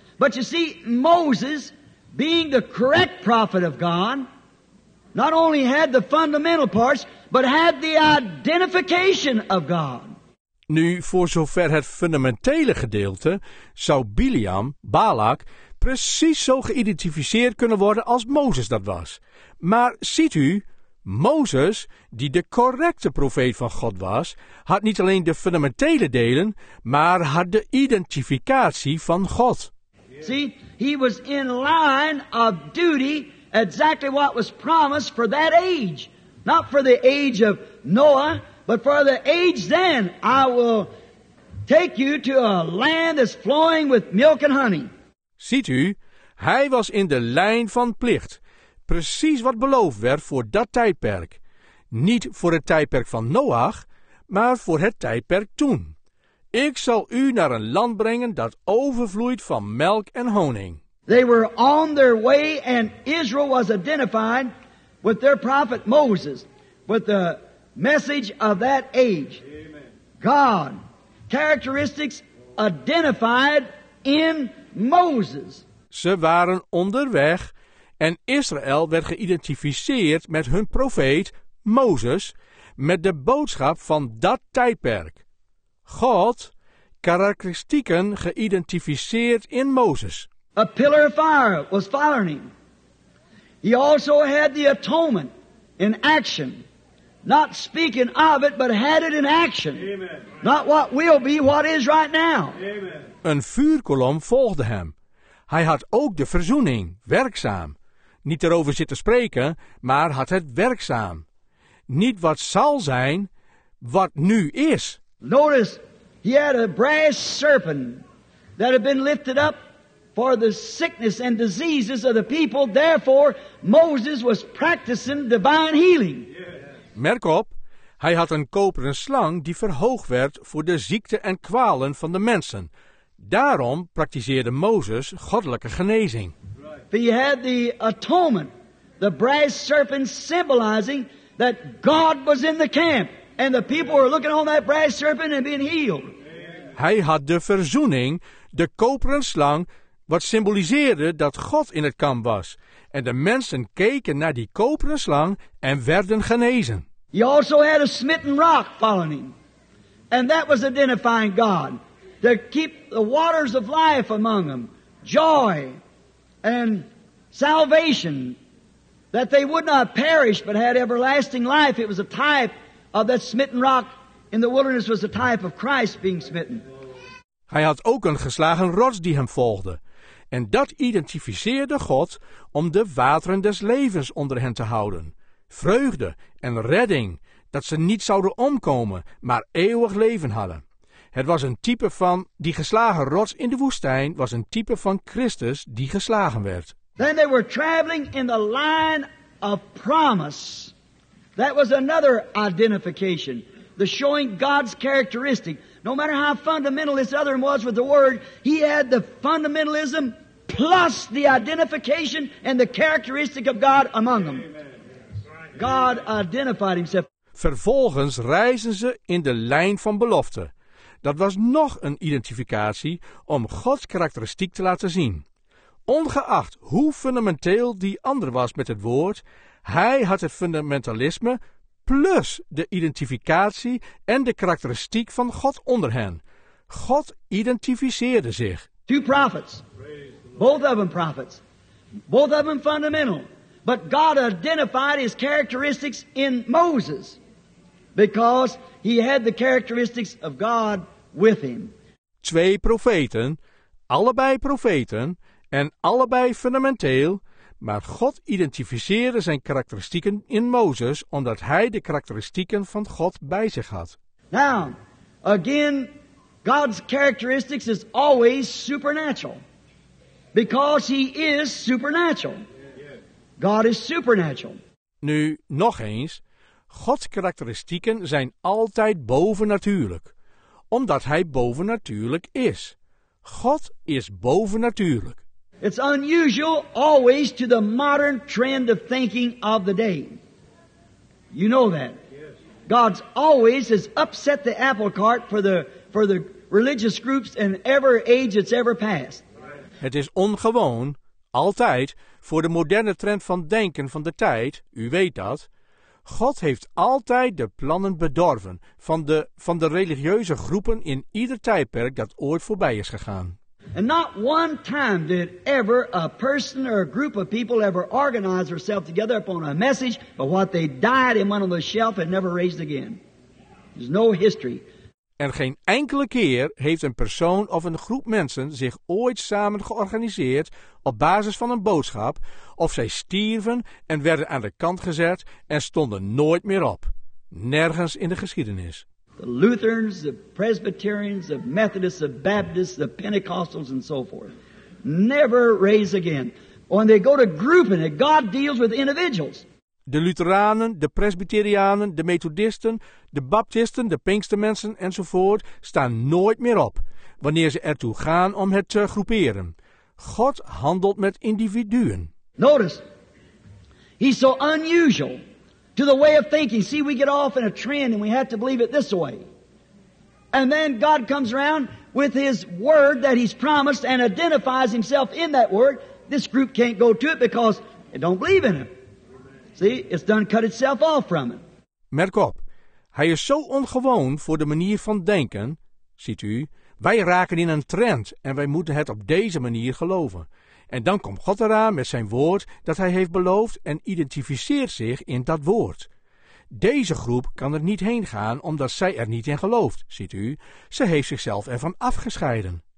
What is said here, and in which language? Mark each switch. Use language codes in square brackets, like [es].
[en] But you see, Moses, being the correct prophet of God, not only had the fundamental parts, but had the identification of God. [nl] Nu, voor zover het fundamentele gedeelte, zou Bileam, Balak, precies zo geïdentificeerd kunnen worden als Mozes dat was. Maar ziet u, Mozes, die de correcte profeet van God was, had niet alleen de fundamentele delen, maar had de identificatie van God. [en] See, he was in line of duty, exactly what was promised for that age. Not for the age of Noah. But for the age then, I will take you to a land that's flowing with milk and honey. [nl] Ziet u, hij was in de lijn van plicht. Precies wat beloofd werd voor dat tijdperk. Niet voor het tijdperk van Noach, maar voor het tijdperk toen. Ik zal u naar een land brengen dat overvloeit van melk en honing. [en] They were on their way and Israel was identified with their prophet Moses, with the message of that age. God. Characteristics identified in Moses. [nl] Ze waren onderweg en Israël werd geïdentificeerd met hun profeet, Mozes, met de boodschap van dat tijdperk. God, karakteristieken geïdentificeerd in Mozes. [en] A pillar of fire was following him. He also had the atonement in action. Not speaking of it, but had it in action. Amen. Not what will be, what is right now. Amen. [nl] Een vuurkolom volgde hem. Hij had ook de verzoening, werkzaam. Niet erover zitten spreken, maar had het werkzaam. Niet wat zal zijn, wat nu is. [en] Notice, he had a brass serpent that had been lifted up for the sickness and diseases of the people. Therefore, Moses was practicing divine healing. [nl] Merk op, hij had een koperen slang die verhoogd werd voor de ziekte en kwalen van de mensen. Daarom praktiseerde Mozes goddelijke genezing. [en] Right. But you had the atonement, the brass serpent symbolizing that God was in the camp. And the people were looking on that brass serpent and being healed. [nl] Hij had de verzoening, de koperen slang, wat symboliseerde dat God in het kamp was. En de mensen keken naar die koperen slang en werden genezen. [en] He also had a smitten rock following him. And that was identifying God. To keep the waters of life among them. Joy and salvation. That they would not perish but had everlasting life. It was a type of that smitten rock in the wilderness was a type of Christ being smitten. [nl] Hij had ook een geslagen rots die hem volgde. En dat identificeerde God om de wateren des levens onder hen te houden. Vreugde en redding, dat ze niet zouden omkomen, maar eeuwig leven hadden. Het was een type van, die geslagen rots in de woestijn was een type van Christus die geslagen werd. [en] Then they were traveling in the line of promise. That was another identification. The showing God's characteristic. No matter how fundamental this other one was with the word, he had the fundamentalism plus the identification and the characteristic of God among them. God identified himself. [nl] Vervolgens reizen ze in de lijn van belofte. Dat was nog een identificatie om Gods karakteristiek te laten zien. Ongeacht hoe fundamenteel die ander was met het woord, hij had het fundamentalisme plus de identificatie en de karakteristiek van God onder hen. God identificeerde zich. [en] Two prophets. Both of them prophets. Both of them fundamental. But God identified his characteristics in Moses because he had the characteristics of God with him. [nl] Twee profeten, allebei profeten en allebei fundamenteel, maar God identificeerde zijn karakteristieken in Mozes omdat hij de karakteristieken van God bij zich had. [en] Now, again, God's characteristics is always supernatural because he is supernatural. God is supernatural. [nl] Nu, nog eens. Gods karakteristieken zijn altijd bovennatuurlijk. Omdat hij bovennatuurlijk is. God is bovennatuurlijk. [en] It's unusual always to the modern trend of thinking of the day. You know that. God's always has upset the apple cart for the religious groups in every age it's ever passed. [nl] Het is ongewoon, altijd, voor de moderne trend van denken van de tijd, u weet dat, God heeft altijd de plannen bedorven van de religieuze groepen in ieder tijdperk dat ooit voorbij is gegaan. [en] And not one time did ever a person or a group of people ever organize themselves together upon a message, but what they died in one on the shelf and never raised again. There's no history. [nl] En geen enkele keer heeft een persoon of een groep mensen zich ooit samen georganiseerd op basis van een boodschap, of zij stierven en werden aan de kant gezet en stonden nooit meer op. Nergens in de geschiedenis. [en] The Lutherans, the Presbyterians, the Methodists, the Baptists, the Pentecostals and so forth. Never raise again. When they go to grouping it, God deals with individuals. [nl] De Lutheranen, de Presbyterianen, de Methodisten, de Baptisten, de Pinkstermensen enzovoort staan nooit meer op wanneer ze ertoe gaan om het te groeperen. God handelt met individuen. [en] Notice, he's so unusual to the way of thinking. See, we get off in a trend and we have to believe it this way. And then God comes around with his word that he's promised and identifies himself in that word. This group can't go to it because they don't believe in him. See, it's done cut itself off from it. [nl] Merk op, hij is zo ongewoon voor de manier van denken, ziet u, wij raken in een trend en wij moeten het op deze manier geloven. En dan komt God eraan met zijn woord dat hij heeft beloofd en identificeert zich in dat woord. Deze groep kan er niet heen gaan omdat zij er niet in gelooft, ziet u, ze heeft zichzelf ervan afgescheiden.